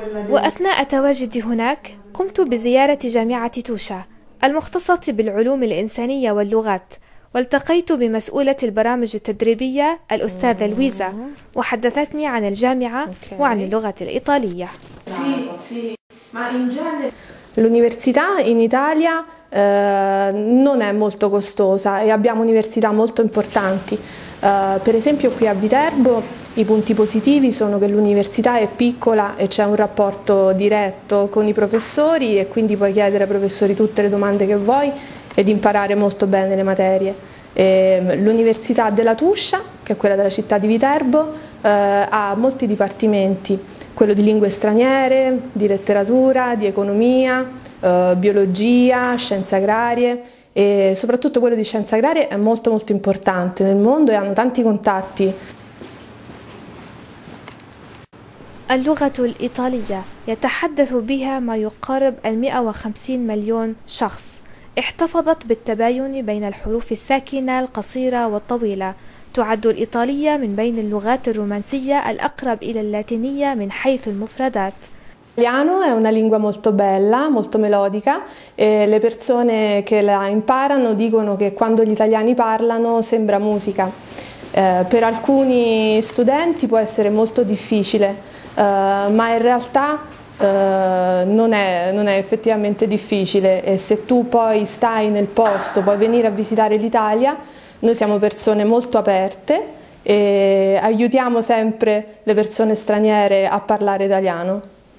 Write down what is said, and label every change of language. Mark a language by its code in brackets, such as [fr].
[ar] وأثناء تواجدي هناك قمت بزيارة جامعة توشا المختصة بالعلوم الإنسانية واللغات، والتقيت بمسؤولة البرامج التدريبية الأستاذة لويزا وحدثتني عن الجامعة وعن اللغة الإيطالية. [it] L'università in Italia non è molto costosa e abbiamo università molto importanti. Per esempio qui a Viterbo i punti positivi sono che l'università è piccola e c'è un rapporto diretto con i professori e quindi puoi chiedere ai professori tutte le domande che vuoi ed imparare molto bene le materie. L'università della Tuscia, che è quella della città di Viterbo, ha molti dipartimenti, quello di lingue straniere, di letteratura, di economia, biologia, scienze agrarie e soprattutto quello di scienze agrarie è molto molto importante nel mondo e hanno tanti contatti. [ar] اللغة الإيطالية يتحدث بها ما يقارب 150 مليون شخص. احتفظت بالتباين بين الحروف الساكنة القصيرة والطويلة. تعد الإيطالية من بين اللغات الرومانسية الأقرب إلى اللاتينية من حيث المفردات. [it] L'italiano è una lingua molto bella, molto melodica e le persone che la imparano dicono che quando gli italiani parlano sembra musica. Per alcuni studenti può essere molto difficile, ma in realtà non è effettivamente difficile e se tu poi stai nel posto, puoi venire a visitare l'Italia, noi siamo persone molto aperte e aiutiamo sempre le persone straniere a parlare italiano.